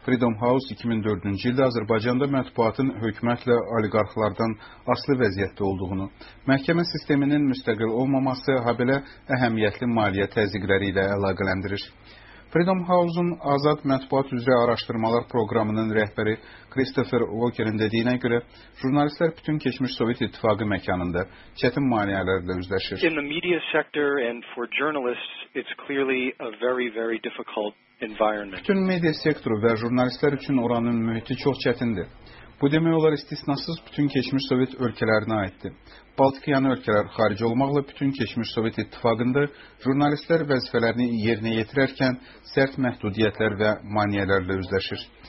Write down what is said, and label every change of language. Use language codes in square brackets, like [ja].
[az] Freedom House 2004-cü ildə Azərbaycanda mətbuatın hökumətlə oliqarxlardan asılı vəziyyətdə olduğunu, məhkəmə sisteminin müstəqil olmaması, habelə əhəmiyyətli maliyyə təzyiqləri ilə əlaqələndirir. Freedom House-un Azad Mətbuat üzrə Araşdırmalar proqramının rəhbəri Christopher Walker'in dediyinə görə, jurnalistlər bütün keçmiş Sovet İttifaqı məkanında çətin maneələrlə üzləşir. [en] In the media sector and for journalists, it's clearly a very, very difficult environment. [az] Bütün media sektoru və jurnalistlər üçün oranın mühiti çox çətindir. Bu demək olar istisnasız bütün keçmiş Sovet ölkələrinə aiddir. Baltikyan ölkələr xarici olmaqla bütün keçmiş Sovet İttifaqında jurnalistlər vəzifələrini yerinə yetirərkən sərt məhdudiyyətlər və maneələrlə üzləşir.